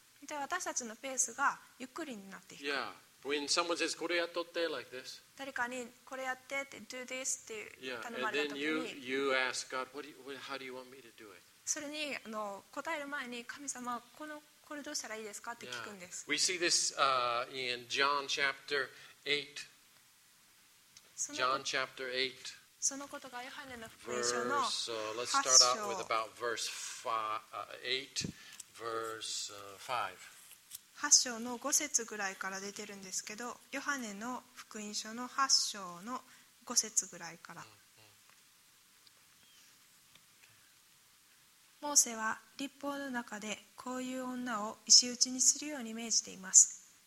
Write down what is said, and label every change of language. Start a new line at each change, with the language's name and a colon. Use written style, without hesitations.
Japanese: で私たちのペースがゆっくりになっていく。
English: Yeah. When someone says,
Japanese: これやっとって
English: like this.
Japanese: 誰かにこれやってって
English: do this
Japanese: って頼まれた時に、
English: yeah. And then you ask God, how do you want me to do it?
Japanese: それに答える前に神様これどうしたらいいですかって聞くんです。
English: Yeah. We see this in John chapter 8. John chapter 8.
Japanese: そのことがヨハネの福音書の8章。
English: Let's start out with about verse 8, verse 5.
Japanese: 8章の5節ぐらいから出てるんですけど、ヨハネの福音書の8章の5節ぐらいから。モーセは律法の中でこういう女を石打ちにするように命じています。